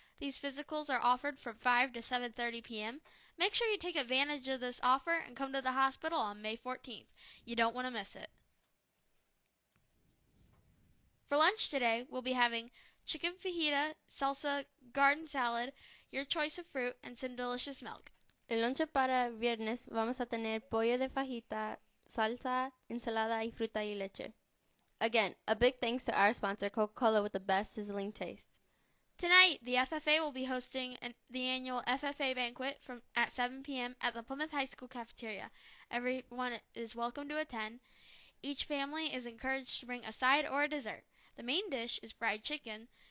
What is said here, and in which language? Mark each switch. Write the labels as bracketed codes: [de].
[en] These physicals are offered from 5 to 7:30 p.m. Make sure you take advantage of this offer and come to the hospital on May 14th. You don't want to miss it. For lunch today, we'll be having chicken fajita, salsa, garden salad, your choice of fruit, and some delicious milk. [es] El lunch para viernes vamos a tener pollo de fajita, salsa, ensalada, y fruta y leche. [en] Again, a big thanks to our sponsor, Coca-Cola, with the best sizzling taste. Tonight, the FFA will be hosting the annual FFA banquet at 7 p.m. at the Plymouth High School cafeteria. Everyone is welcome to attend. Each family is encouraged to bring a side or a dessert. The main dish is fried chicken.